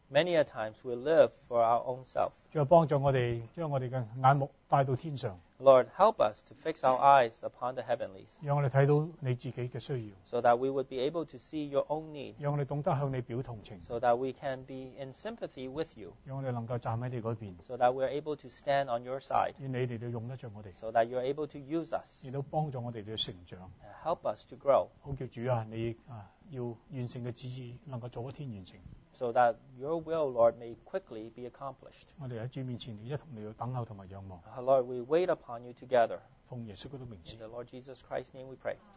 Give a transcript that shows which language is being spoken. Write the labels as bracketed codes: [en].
[en] Many a times we live for our own self. [zh] 主，帮助我们将我们的眼目带到天上。 [en] Lord, help us to fix our eyes upon the heavenlies. [zh] 让我们看到你自己的需要。 [en] So that we would be able to see your own need. [zh] 让我们懂得向你表同情。 [en] So that we can be in sympathy with you. [zh] 让我们能够站在你那边。 [en] So that we are able to stand on your side. [zh] 愿你来用得着我们。 [en] So that you are able to use us. [zh] 也都帮助我们来成长。 [en] Help us to grow. [zh] 好叫主啊，你要完成的旨意能够做一天完成。 [en] so that your will, Lord, may quickly be accomplished. Lord, we wait upon you together. In the Lord Jesus Christ's name we pray.